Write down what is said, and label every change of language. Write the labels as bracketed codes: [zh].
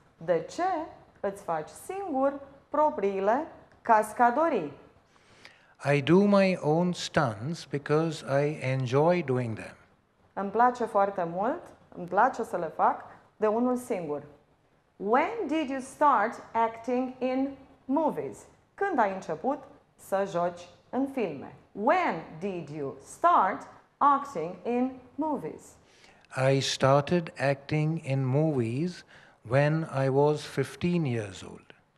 [ro] De ce îți faci singur propriile cascadorii? [en] I do my own stunts because I enjoy doing them. [ro] Îmi place foarte mult, îmi place să le fac de unul singur. [en] When did you start acting in movies? [ro] Când ai început să joci în filme? [en] When did you start acting in movies? I started acting in movies when I was 15 years old.